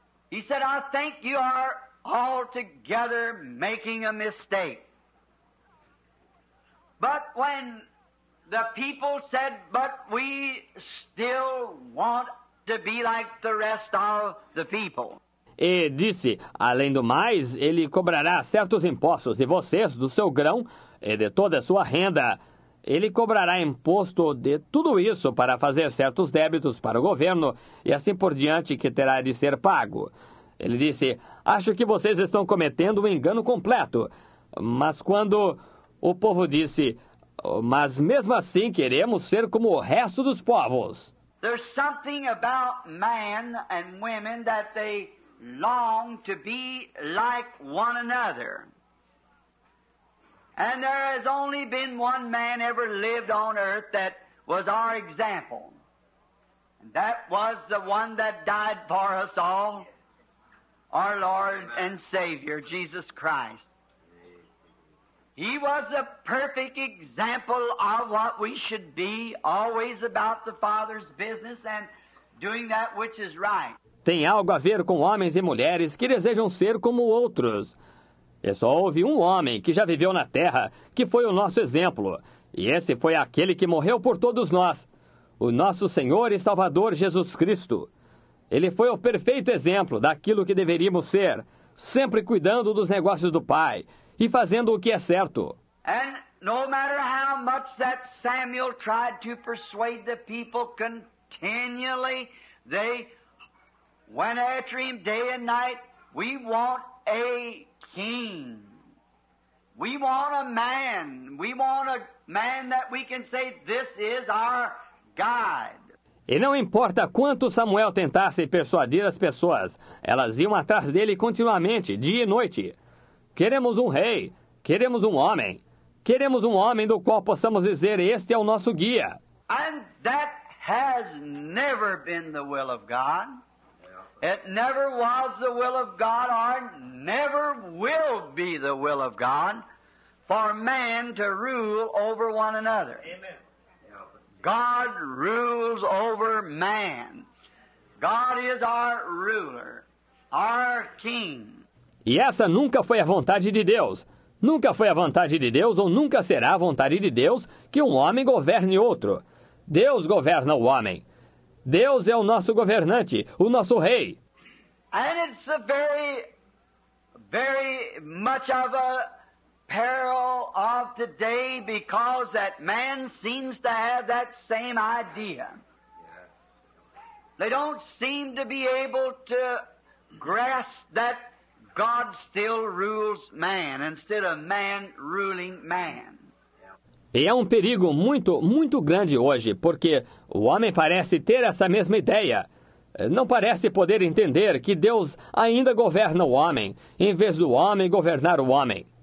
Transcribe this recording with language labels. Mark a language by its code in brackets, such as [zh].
[en] He said, "I think you are altogether making a mistake." But when the people said, "But we still want to be like the rest of the people." [pt] E disse: "Além do mais, ele cobrará certos impostos de vocês, do seu grão e de toda a sua renda. Ele cobrará imposto de tudo isso para fazer certos débitos para o governo e assim por diante que terá de ser pago." Ele disse: "Acho que vocês estão cometendo um engano completo." Mas quando o povo disse: "Mas mesmo assim queremos ser como o resto dos povos." [en] There's something about men and women that they long to be like one another. And there has only been one man ever lived on earth that was our example. And that was the one that died for us all, our Lord and Savior, Jesus Christ. He was a perfect example of what we should be, always about the Father's business and doing that which is right. [pt] Tem algo a ver com homens e mulheres que desejam ser como outros. E só houve um homem que já viveu na terra, que foi o nosso exemplo. E esse foi aquele que morreu por todos nós, o nosso Senhor e Salvador Jesus Cristo. Ele foi o perfeito exemplo daquilo que deveríamos ser, sempre cuidando dos negócios do Pai e fazendo o que é certo. E não importa o quanto Samuel tentou persuadir as pessoas continuamente, eles foram atrás dia e noite. [en] "We want a king. We want a man. We want a man that we can say this is our God. [pt] E não importa quanto Samuel tentasse persuadir as pessoas, elas iam atrás dele continuamente, dia e noite. Queremos um rei. Queremos um homem. Queremos um homem do qual possamos dizer, este é o nosso guia. [en] And that has never been the will of God. It never was the will of God, or never will be the will of God, for man to rule over one another. Amen. God rules over man. God is our ruler, our king. [pt] E essa nunca foi a vontade de Deus. Nunca foi a vontade de Deus, ou nunca será a vontade de Deus, que um homem governe outro. Deus governa o homem. Deus é o nosso governante, o nosso rei. [en] And it's a very, very much of a peril of today because that man seems to have that same idea. They don't seem to be able to grasp that God still rules man instead of man ruling man. [pt] E é um perigo muito, muito grande hoje, porque o homem parece ter essa mesma ideia. Não parece poder entender que Deus ainda governa o homem, em vez do homem governar o homem.